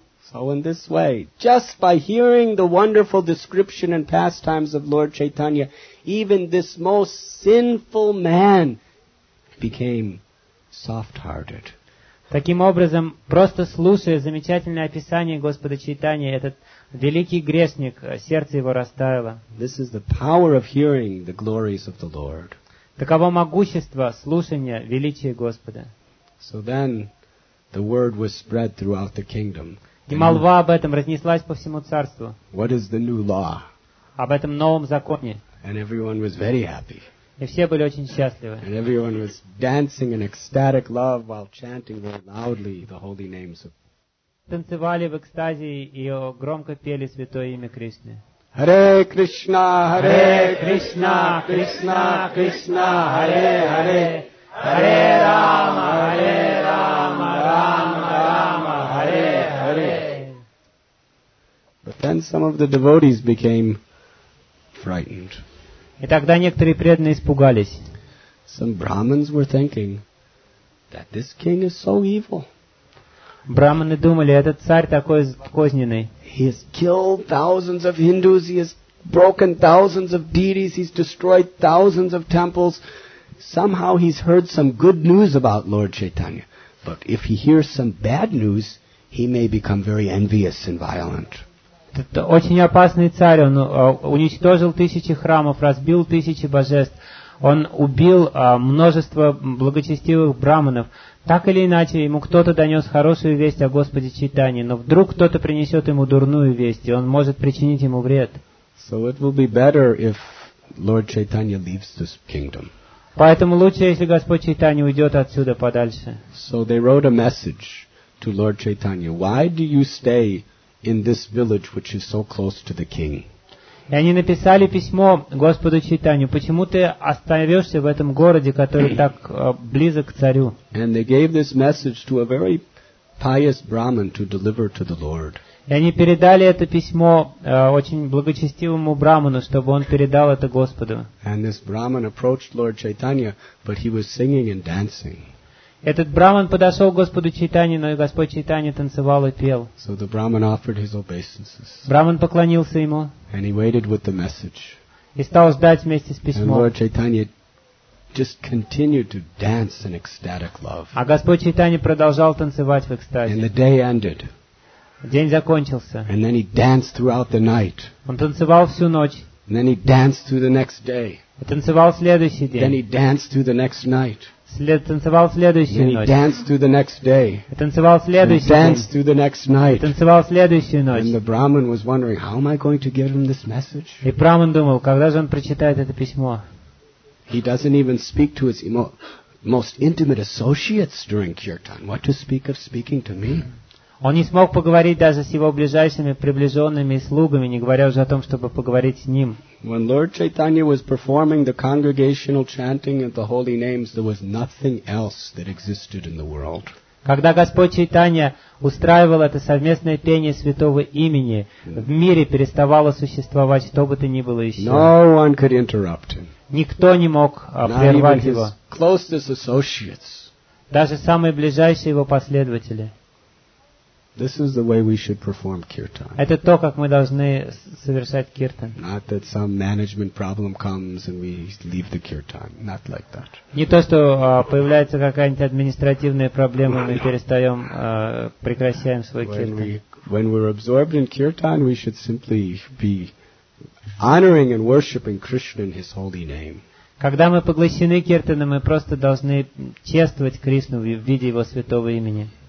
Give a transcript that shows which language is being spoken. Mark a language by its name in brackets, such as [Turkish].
[English] So in this way, just by hearing the wonderful description and pastimes of Lord Chaitanya, even this most sinful man became soft-hearted. [Russian] Таким образом, просто слушая замечательное описание Господа Чайтани, этот великий грешник, сердце его растаяло. [English] This is the power of hearing the glories of the Lord. [Russian] Таково могущество слушания величия Господа. [English] So then, the word was spread throughout the kingdom. [Russian] И молва об этом разнеслась по всему царству. [English] What is the new law? [Russian] Об этом новом законе. [English] And everyone was very happy. [Russian] И все были очень счастливы. [English] And everyone was dancing in ecstatic love while chanting very loudly the holy names of. [Russian] Танцевали в экстазе и громко пели святое имя Кришны. [Sanskrit] Харе Кришна, Харе Кришна, Кришна Кришна, Харе Харе, Харе Рама, Харе Рама, Рама Рама, Харе Харе. [English] But then some of the devotees became frightened. [Russian] И тогда некоторые преданные испугались. [English] Some brahmins were thinking that this king is so evil. [Russian] Брахманы думали, этот царь такой козненный. [English] He has killed thousands of Hindus, he has broken thousands of deities, he's destroyed thousands of temples. Somehow he's heard some good news about Lord Chaitanya. But if he hears some bad news, he may become very envious and violent. [Russian] Это очень опасный царь, он уничтожил тысячи храмов, разбил тысячи божеств, он убил множество благочестивых брахманов. Так или иначе, ему кто-то донес хорошую весть о Господе Чайтанье, но вдруг кто-то принесет ему дурную весть, и он может причинить ему вред. [English] So it will be better if Lord Chaitanya leaves this kingdom. [Russian] Поэтому лучше, если Господь Чайтанья уйдет отсюда подальше. [English] So they wrote a message to Lord Chaitanya. Why do you stay in this village which is so close to the king? [Russian] И они написали письмо Господу Чайтанью, почему ты остаешься в этом городе, который так близок к царю? [English] And they gave this message to a very pious Brahmin to deliver to the Lord. [Russian] И они передали это письмо очень благочестивому Брахману, чтобы он передал это Господу. [English] And this Brahmin approached Lord Chaitanya, but he was singing and dancing. [Russian] Этот Брахман подошел к Господу Чайтанье, но и Господь Чайтанье танцевал и пел. [English] So the Brahmin offered his obeisances. [Russian] Брахман поклонился ему. [English] And he waited with the message. [Russian] И стал ждать вместе с письмом. [English] And Lord Chaitanya just continued to dance in ecstatic love. [Russian] А Господь Чайтанье продолжал танцевать в экстазе. [English] And the day ended. [Russian] День закончился. [English] And then he danced throughout the night. [Russian] Он танцевал всю ночь. [English] And then he danced through the next day. [Russian] И танцевал следующий день. [English] Then he danced through the next night. [Russian] Танцевал следующую ночь. [English] And he danced through the next day. [Russian] Танцевал следующий день. [English] And danced through the next night. [Russian] Танцевал следующую ночь. [English] And the Brahmin was wondering, how am I going to give him this message? [Russian] И Брахман думал, когда же он прочитает это письмо? [English] He doesn't even speak to his most intimate associates during kirtan. What to speak of speaking to me? [Russian] Он не смог поговорить даже с его ближайшими приближенными и слугами, не говоря уже о том, чтобы поговорить с ним. [English] When Lord Chaitanya was performing the congregational chanting of the holy names, there was nothing else that existed in the world. [Russian] Когда Господь Чайтанья устраивал это совместное пение святого имени, в мире переставало существовать что бы то ни было еще. [English] No one could interrupt him. [Russian] Никто не мог прервать его. [English] Not even his closest associates. [Russian] Даже самые ближайшие его последователи. [English] This is the way we should perform kirtan. [Russian] Это то, как мы должны совершать киртан. [English] Not that some management problem comes and we leave the kirtan. Not like that. [Russian] Не то, что появляется какая-нибудь административная проблема, мы перестаем, прекращаем свой киртан. [English] When we're absorbed in kirtan, we should simply be honoring and worshiping Krishna in His holy name. [Russian] Когда мы поглощены киртаном, мы просто должны чествовать Кришну в виде Его святого имени.